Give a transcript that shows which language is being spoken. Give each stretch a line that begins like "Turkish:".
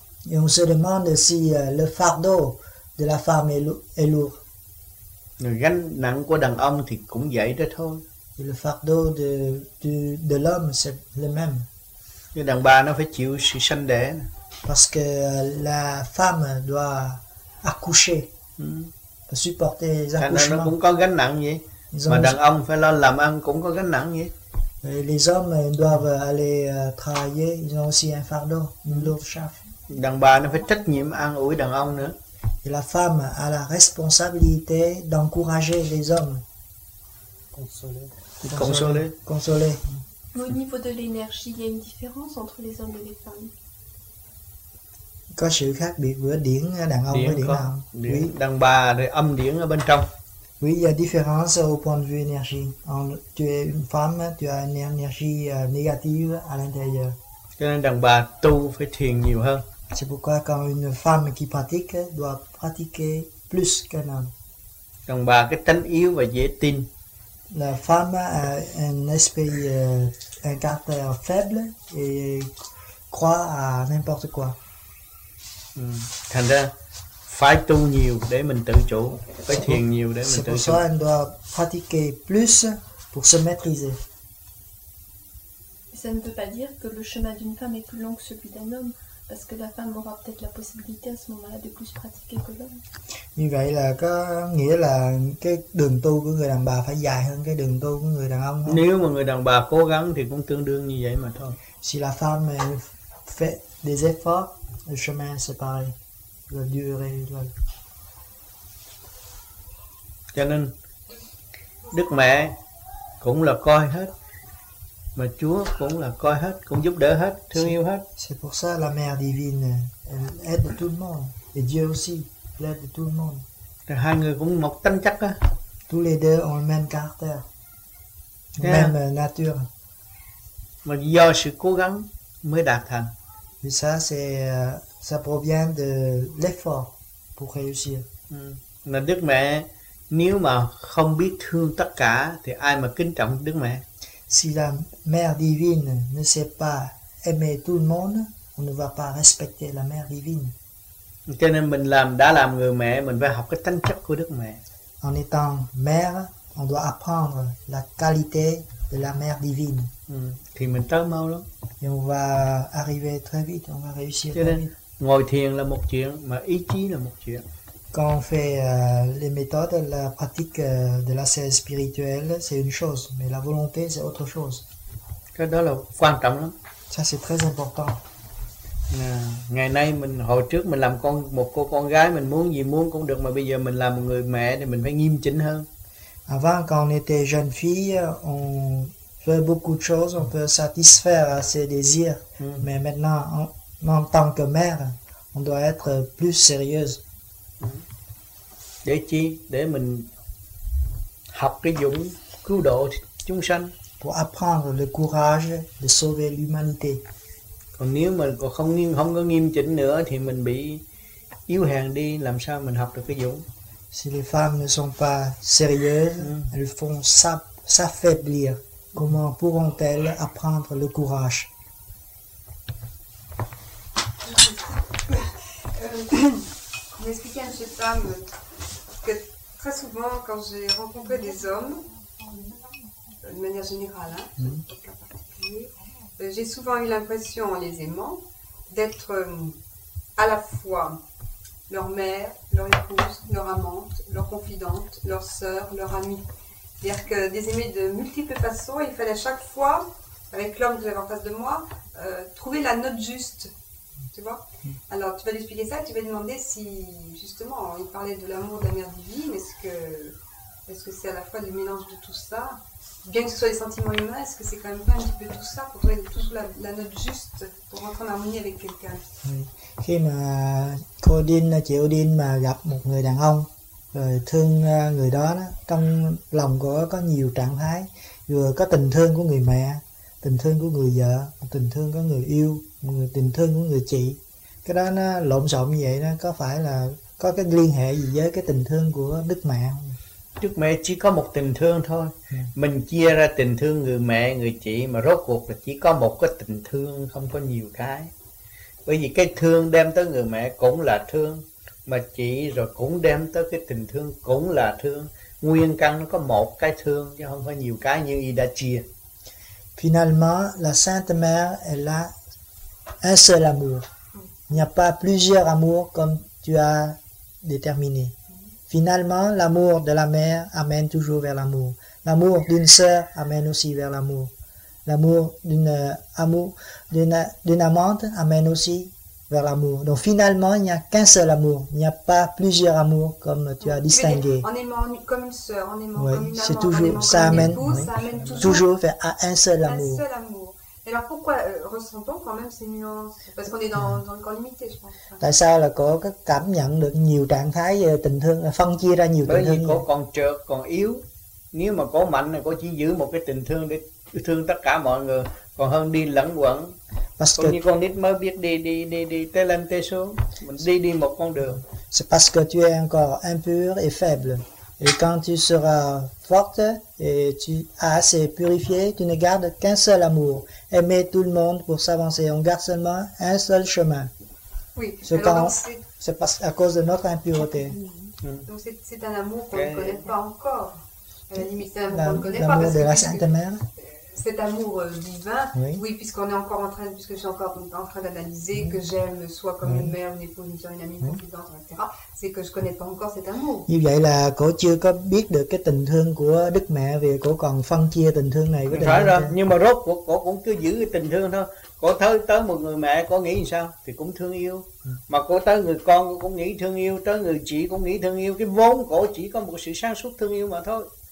French: Et on se demande si le fardeau de la femme est lourd.
Vietnamese: Le gánh nặng của đàn ông thì cũng vậy đó thôi.
French: Le fardeau de l'homme, c'est le même.
Vietnamese: Cái đàn bà nó phải chịu sự sanh đẻ.
French: Parce que la femme doit accoucher. Mm. Supporter les accouchements.
Vietnamese: Nó cũng có gánh nặng vậy. Mà đàn ông phải lo làm ăn cũng có gánh nặng vậy.
French: Les hommes doivent aller travailler, ils ont aussi un fardeau, une lourde charge.
Vietnamese: Đàn bà nó phải trách nhiệm an ủi đàn ông nữa.
French: Et la femme a la responsabilité d'encourager les hommes. Consoler. Au niveau de l'énergie, il y a une différence entre les hommes et les femmes.
Vietnamese: có sự khác biệt giữa điển đàn ông điển với điển nam. Oui, đàn bà rồi âm điển ở bên trong.
French: Oui, il y a différence au point de vue énergie. En, tu es une femme, tu as une énergie négative à l'intérieur.
Vietnamese: Cho nên đàn bà tu phải thiền nhiều hơn.
French: C'est pourquoi quand une femme qui pratique doit pratiquer plus qu'un homme.
Vietnamese: Đàn bà cái tánh yếu và dễ tin.
French: La femme a un esprit, un caractère faible et croit à n'importe quoi.
Vietnamese: Thành ra phải tu nhiều để mình tự chủ, phải thiền nhiều để mình tự chủ.
French: C'est pour ça qu'on doit pratiquer plus pour se maîtriser. Ça ne veut pas dire que le chemin d'une femme est plus long que celui d'un homme, parce que la femme aura peut-être la possibilité à ce moment-là de plus pratiquer que l'homme.
Vietnamese: Như vậy là có nghĩa là cái đường tu của người đàn bà phải dài hơn cái đường tu của người đàn ông không? Nếu mà người đàn bà cố gắng thì cũng tương đương như vậy mà thôi.
French: Si la femme fait des efforts, le chemin se pareil. La durée, la...
Vietnamese: Cho nên Đức Mẹ cũng là coi hết, mà Chúa cũng là coi hết, cũng giúp đỡ hết, thương yêu hết.
French: C'est pour ça la mère divine elle aide tout le monde et Dieu aussi aide tout le monde.
Vietnamese: Rồi hai người cũng một tính chất á.
French: Tous les deux ont le même caractère, même nature.
Vietnamese: Mà do sự cố gắng mới đạt thành.
French: Mais ça c'est ça provient de l'effort pour réussir.
Vietnamese: Là Đức Mẹ nếu mà không biết thương tất cả thì ai mà kính trọng Đức Mẹ?
French: Si la mère divine ne sait pas aimer tout le monde, on ne va pas respecter la mère divine.
Vietnamese: Cho nên mình làm đã làm người mẹ mình phải học cái tính chất của Đức Mẹ.
French: En étant mère, on doit apprendre la qualité de la mère divine.
Vietnamese: Thì mình tới mau lắm.
French: Et on va arriver très vite, on va réussir.
Vietnamese: Cho nên ngồi thiền là một chuyện mà ý chí là một chuyện.
French: Quand on fait les méthodes, la pratique de la sève spirituelle, c'est une chose, mais la volonté, c'est autre chose.
Vietnamese: Cái đó là quan trọng lắm.
French: Ça, c'est très important.
Vietnamese: Ngày nay mình hồi trước mình làm con một cô con gái mình muốn gì muốn cũng được, mà bây giờ mình làm một người mẹ thì mình phải nghiêm chỉnh hơn.
French: Avant, quand on était jeune fille, on faisait beaucoup de choses, on peut satisfaire à ses désirs, mais maintenant, en tant que mère, on doit être plus sérieuse.
Vietnamese: Để chi? Để mình học cái dũng cứu độ chúng sanh.
French: Pour apprendre le courage de sauver l'humanité.
Vietnamese: Còn nếu mà còn không có nghiêm chỉnh nữa thì mình bị yếu hèn đi, làm sao mình học được cái dũng?
French: Si les femmes ne sont pas sérieuses, elles font s'affaiblir. Comment pourront-elles apprendre le courage? M'expliquer à cette femme que très souvent, quand j'ai rencontré des hommes, de manière générale, hein, j'ai souvent eu l'impression, en les aimant, d'être à la fois leur mère, leur épouse, leur amante, leur confidente, leur sœur, leur amie. C'est-à-dire que des aimés de multiples façons, il fallait à chaque fois, avec l'homme que j'avais en face de moi, trouver la note juste. Tu vois? Alors, tu vas lui expliquer ça, tu vas lui demander si, justement, il parlait de l'amour de la mère divine, est-ce que c'est à la fois le mélange de tout ça, bien que ce soit des sentiments humains, est-ce que c'est quand même pas un petit peu tout ça pour trouver toujours la note juste pour rentrer en harmonie avec quelqu'un? Oui.
Vietnamese: Khi mà cô Đinh, chị Âu Đinh mà gặp một người đàn ông, rồi thương người đó, trong lòng cô có nhiều trạng thái, vừa có tình thương của người mẹ, tình thương của người vợ, tình thương của người yêu, tình thương của người chị. Cái đó nó lộn xộn như vậy đó, có phải là có cái liên hệ gì với cái tình thương của Đức Mẹ không? Đức Mẹ chỉ có một tình thương thôi. Mình chia ra tình thương người mẹ, người chị, mà rốt cuộc là chỉ có một cái tình thương, không có nhiều cái. Bởi vì cái thương đem tới người mẹ cũng là thương, mà chị rồi cũng đem tới cái tình thương cũng là thương. Nguyên căn nó có một cái thương, chứ không có nhiều cái như y đã chia.
French: Finalement, la Sainte Mère, elle a un seul amour. Il n'y a pas plusieurs amours comme tu as déterminé. Finalement, l'amour de la mère amène toujours vers l'amour. L'amour d'une sœur amène aussi vers l'amour. L'amour d'une amante amène aussi vers l'amour. Donc finalement, il n'y a qu'un seul amour. Il n'y a pas plusieurs amours comme tu as distingué. En aimant comme une sœur, en aimant oui, comme une amante, c'est toujours, en aimant comme une épouse, ça amène toujours vers un seul amour. Un seul amour. Et alors pourquoi ressent-on quand même ces nuances? Parce qu'on est dans le corps limité, je pense.
Vietnamese: Tại sao là có cái cảm nhận được nhiều trạng thái tình thương, phân chia ra nhiều tình thương? Bởi vì có còn trượt, còn yếu. Nếu mà có mạnh thì có chỉ giữ một cái tình thương để thương tất cả mọi người, còn hơn đi lẫn quẩn.
French: Parce que
Vietnamese: con nít mới biết đi té lên té xuống, mình đi một con đường.
French: C'est parce que tu es encore impur et faible. Et quand tu seras forte et tu as assez purifié, tu ne gardes qu'un seul amour. Aimer tout le monde pour s'avancer. On garde seulement un seul chemin. Oui. C'est parce, à cause de notre impureté. Donc c'est un amour qu'on ne connaît pas encore. À la limite, c'est un amour qu'on ne connaît pas. De la Sainte Mère. Cet amour divin, oui, puisqu'on est encore en train, puisque je suis encore en train d'analyser que j'aime soit comme une mère, une épouse, une soeur, une amie, une confidente, etc. C'est que je connais pas encore cet amour.
Vietnamese: Như vậy là cô chưa có biết được cái tình thương của Đức Mẹ vì cô còn phân chia tình thương này với Đức Mẹ. Nhưng mà rốt cuộc cô cũng cứ giữ cái tình thương thôi. Cô tới tới một người mẹ cô nghĩ sao thì cũng thương yêu. Mà cô tới người con cô cũng nghĩ thương yêu, tới người chị cũng nghĩ thương yêu. Cái vốn cô chỉ có một sự sáng suốt thương yêu mà thôi.